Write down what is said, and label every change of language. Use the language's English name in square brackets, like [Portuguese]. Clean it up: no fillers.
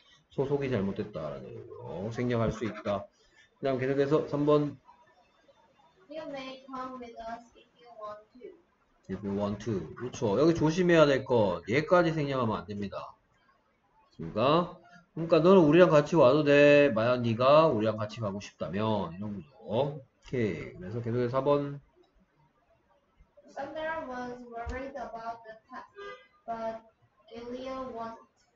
[Korean] 소속이 잘못됐다라는 거. 생략할 수 있다. 그다음 계속해서 3번. [English] You may come with us if you want to. If you want to. [Korean] 그렇죠. 여기 조심해야 될 거. 얘까지 생략하면 안 됩니다. 그러니까 너는 우리랑 같이 와도 돼. 만약 네가 우리랑 같이 가고 싶다면 이런 거죠. 오케이. 그래서 계속해서 4번. [English] Sandra was worried about the test, but Elia wasn't.